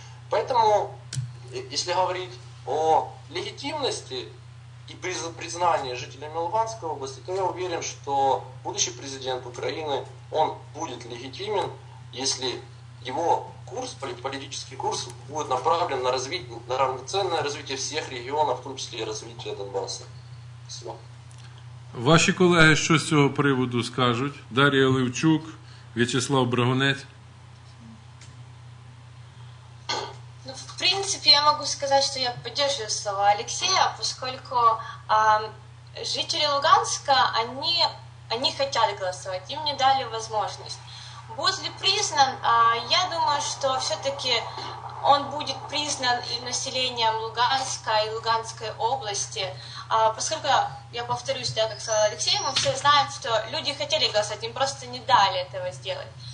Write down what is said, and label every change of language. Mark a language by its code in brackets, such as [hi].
[ru] Поэтому, если говорить о легитимности и признании жителями Луганской области, то я уверен, что будущий президент Украины, он будет легитимен, если его курс, политический курс, будет направлен на развитие, на равноценное развитие всех регионов, в том числе и развитие Донбасса. Спасибо. [uk] Ваші колеги що з цього приводу скажуть? Дар'я Левчук, В'ячеслав Брагунець. В принципі, я можу сказати, що я підтримую слова Олексія, оскільки жителі Луганська, вони хотіли голосувати, їм не дали можливість. Буде ли [ru] признан, я думаю, [uk] що все-таки [ru] он будет признан и населением Луганска, и Луганской области. Поскольку, я повторюсь, да, как сказал Алексей, мы все знаем, что люди хотели голосовать, им просто не дали этого сделать.